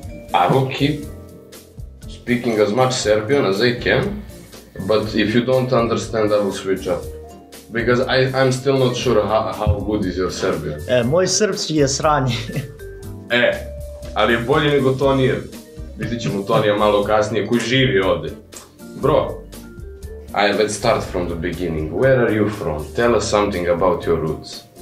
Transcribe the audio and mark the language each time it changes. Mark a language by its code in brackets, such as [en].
[en] Okay. I will keep speaking as much Serbian as I can. But if you don't understand, I will switch up. Because I'm still not sure how good is your Serbian. [sr] E, moj srpski je sranji. E, ali je bolje nego Tonije. Vidit ćemo Tonija malo kasnije, koji živi ovdje. [en] Bro, let's start from the beginning. Where are you from? Tell us something about your roots.